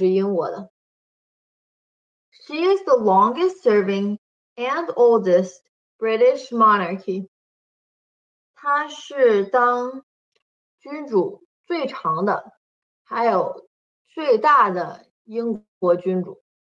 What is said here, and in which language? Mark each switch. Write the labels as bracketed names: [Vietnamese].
[Chinese] 她从2月6号1952年一直到她死，然后这是9月8号2022年，她都是统治英国的。She [English] is the longest serving and oldest British monarchy. [Chinese] 她是当君主最长的，还有最大的英国君主。